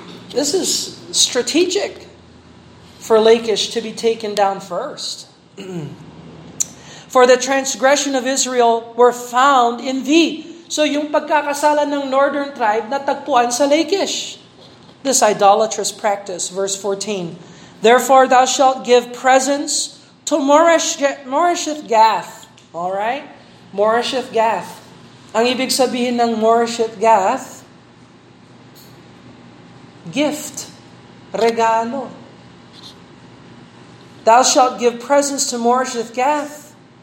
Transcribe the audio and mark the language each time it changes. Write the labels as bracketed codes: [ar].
[en] This is strategic for Lachish to be taken down first. For the transgression of Israel were found in thee. [tl] So yung pagkakasala ng northern tribe natagpuan sa Lachish. [en] This idolatrous practice, verse 14. Therefore thou shalt give presents to Moresheth Gath. All right? Moresheth Gath. [tl] Ang ibig sabihin ng Moresheth Gath, gift, regalo. [en] Thou shalt give presents to Moresheth Gath.